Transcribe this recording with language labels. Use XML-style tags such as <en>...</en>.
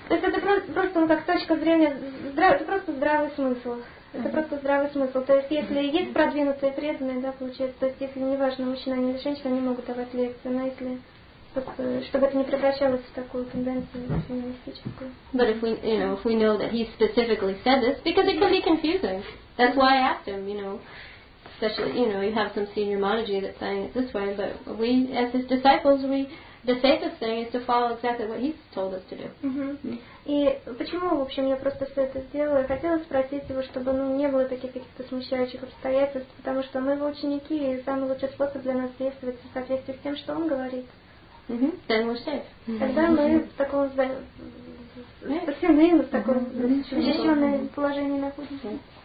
<ru>То есть это просто, ну, как точка зрения, это просто здравый смысл. Это просто здравый смысл. То есть если есть продвинутые преданные, да, получается, то есть если неважно, мужчина или женщина, они могут давать лекции, но если чтобы это не превращалось в такую тенденцию феминистическую.</ru> <en>But if we, you know, if we know that he specifically said this, because it can be confusing. That's why I asked him, you know. Especially, you know, you have some senior monogy that's saying it this way, but we, as his disciples, the safest thing is to follow exactly what he's told us to do.</en> <ru>И почему, в общем, я просто все это сделала? Я хотела спросить его, чтобы, ну, не было таких каких-то смущающих обстоятельств, потому что мы его ученики, и самый лучший способ для нас действовать в соответствии с тем, что он говорит.</ru> <en>Then we're safe.</en> <ru>Тогда мы в таком спасены, в таком защищенном положении находимся.</ru>